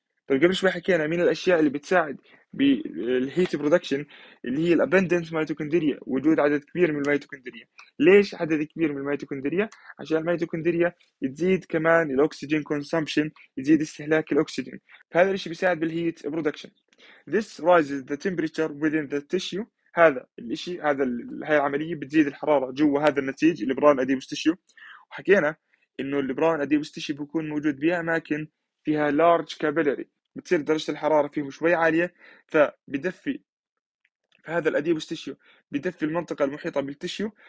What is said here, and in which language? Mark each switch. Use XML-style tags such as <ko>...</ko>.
<ar>طيب قبل شوي حكينا من الاشياء اللي بتساعد بالهيت برودكشن اللي هي الابندنس ميتوكوندريا، وجود عدد كبير من الميتوكوندريا. ليش عدد كبير من الميتوكوندريا؟ عشان الميتوكوندريا تزيد كمان الاكسجين كونسامبشن، يزيد استهلاك الاكسجين، فهذا الشيء بيساعد بالهيت برودكشن.</ar> <en>This rises the temperature within the tissue.</en> <ar>هذا الشيء، هذا هاي العمليه بتزيد الحراره جوا هذا النسيج الليبران اديبوس تيشو. وحكينا انه الليبران اديبوس تيشو بيكون موجود باماكن فيها لارج كابيلري، بتصير درجه الحراره فيهم شوي عاليه، فبدفي فهذا الاديبوس تيشو بدفي المنطقه المحيطه بالتيشو.</ar>